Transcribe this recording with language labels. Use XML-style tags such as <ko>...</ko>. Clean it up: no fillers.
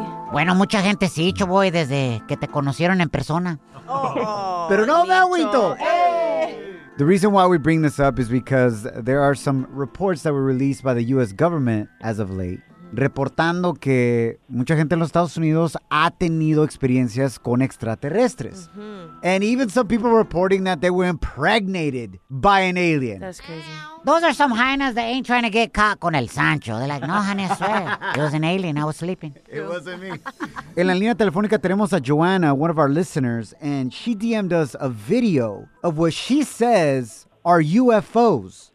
<es>Bueno, mucha gente sí, Sha'Boy, desde que te conocieron en persona. Pero no me agüito.</es> <en>The reason why we bring this up is because there are some reports that were released by the U.S. government as of late.</en> <es>Reportando que mucha gente en los Estados Unidos ha tenido experiencias con extraterrestres.</es> <en>And even some people reporting that they were impregnated by an alien. That's crazy. Those are some hyenas that ain't trying to get caught</en> <es>con el Sancho.</es> <en>They're like, no, honey, I swear. It was an alien. I was sleeping. It wasn't me.</en> <es>En la línea telefónica tenemos a Joanna,</es> <en>one of our listeners, and she DM'd us a video of what she says are UFOs.</en>